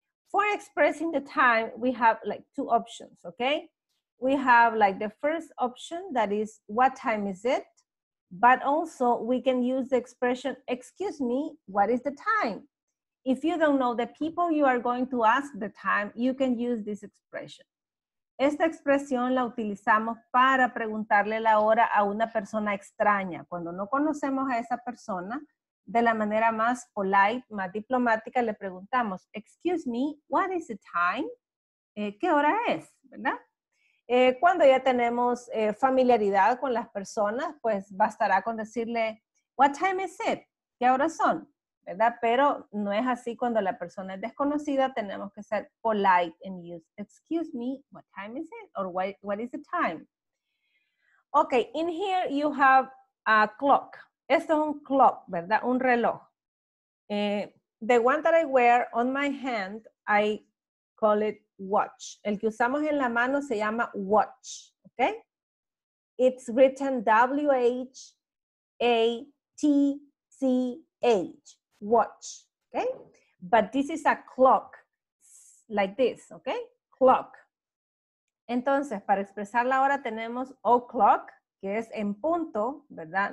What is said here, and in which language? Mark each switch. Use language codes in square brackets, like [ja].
[en] For expressing the time, we have like two options, okay? We have like the first option, that is, what time is it? But also we can use the expression, excuse me, what is the time? If you don't know the people you are going to ask the time, you can use this expression. [es] Esta expresión la utilizamos para preguntarle la hora a una persona extraña. Cuando no conocemos a esa persona, de la manera más polite, más diplomática, le preguntamos, [en] excuse me, what is the time? [es] ¿Qué hora es? ¿Verdad? Cuando ya tenemos familiaridad con las personas, pues bastará con decirle, [en] what time is it? [es] ¿Qué horas son? ¿Verdad? Pero no es así cuando la persona es desconocida, tenemos que ser [en] polite and use, excuse me, what time is it? Or what is the time? Okay, in here you have a clock. [es] Esto es un clock, ¿verdad? Un reloj. [en] The one that I wear on my hand, I call it watch. [es] El que usamos en la mano se llama watch, okay? [en] It's written W-H-A-T-C-H. Watch, okay? But this is a clock, like this, okay? Clock. [es] Entonces, para expresar la hora tenemos o'clock, que es en punto, ¿verdad?